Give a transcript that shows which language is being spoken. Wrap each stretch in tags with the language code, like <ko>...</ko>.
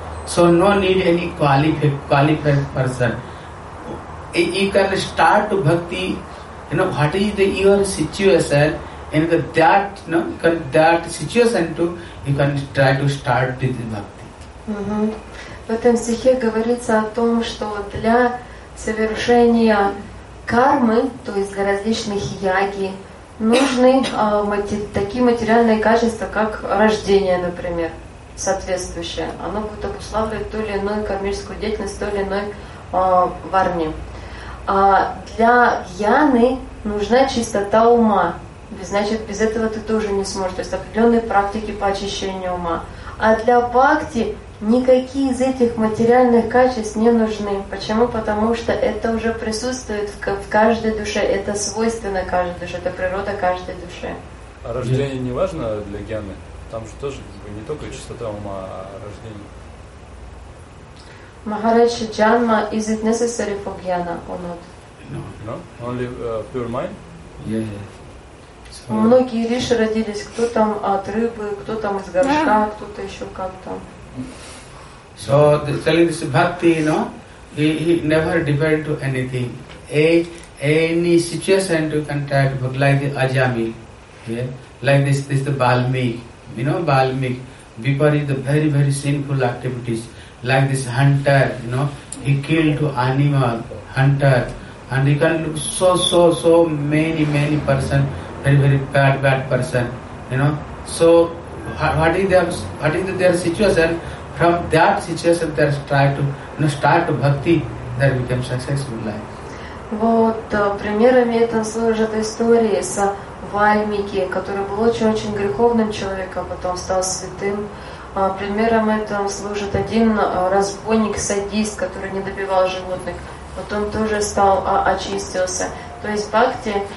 <en>So no need any qualified person. You can start to bhakti, you know, what is the your situation, and that situation too, you can try to start with bhakti.</en> <ru>В этом стихе говорится о том, что для совершения кармы, то есть для различных яги, нужны такие материальные качества, как рождение, например, соответствующее. Оно будет обуславливать ту или иную кармическую деятельность, ту или иной варни. А для яны нужна чистота ума. Значит, без этого ты тоже не сможешь. То есть определенные практики по очищению ума. А для бхакти никакие из этих материальных качеств не нужны. Почему? Потому что это уже присутствует в каждой душе. Это свойственно каждой душе. Это природа каждой души. А рождение не важно для гьяны? Там же тоже не только чистота ума, а рождение.</ru> <en>Махараджа джанма, is it necessary for гьяна or not? No. Only pure mind? Yes.</en> <ru>So, многие риши родились, кто там от рыбы, кто там из горшка, yeah. Кто-то еще как-то.</ru> <en>So, telling this bhakti, you know, he never depend to anything. Any situation to contact, but like the ajami, yeah? Like this the balmik, you know, balmik. Vipari is the very, very sinful activities. Like this hunter, you know, he killed to animal, hunter. And he can look so many, many person. Very, very bad person, you know. So, what is their situation? From that situation, they try to, you know, start bhakti, they become successful life.</en> <ru>Вот примерами это служит истории с Вальмики, который был очень греховным человеком, потом стал святым. Примером это служит один разбойник, садист, который не добивал животных, потом тоже стал очистился. То есть бхакти.</ru>